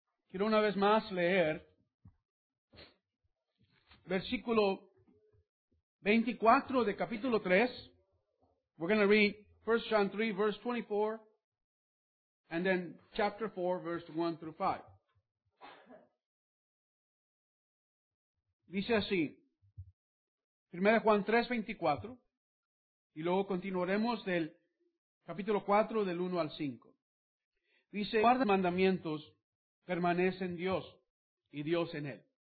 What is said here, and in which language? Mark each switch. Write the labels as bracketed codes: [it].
[es] Quiero una vez más leer versículo 24 de capítulo 3. [en] We're going to read 1 John 3, verse 24, and then chapter 4, verse 1 through 5. [es] Dice así, 1 Juan 3, 24, y luego continuaremos del capítulo 4, del 1 al 5. Dice, guarda los mandamientos, permanece en Dios, y Dios en él.